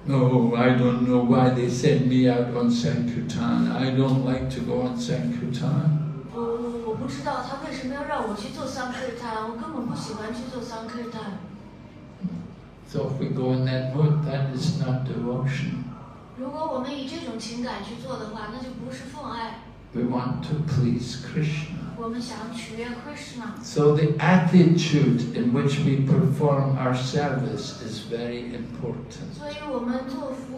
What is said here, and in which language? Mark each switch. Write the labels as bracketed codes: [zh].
[en] No, I don't know why they sent me out on Sankirtan. I don't like to go on Sankirtan. [zh] 我不知道他为什么要让我去做Sankirtan，我根本不喜欢去做Sankirtan。 [en] So if we go in that mood, that is not devotion. [zh] 如果我们以这种情感去做的话，那就不是奉爱。 [en] We want to please Krishna. [zh] 我们想取悦Krishna。 [en] So the attitude in which we perform our service is very important.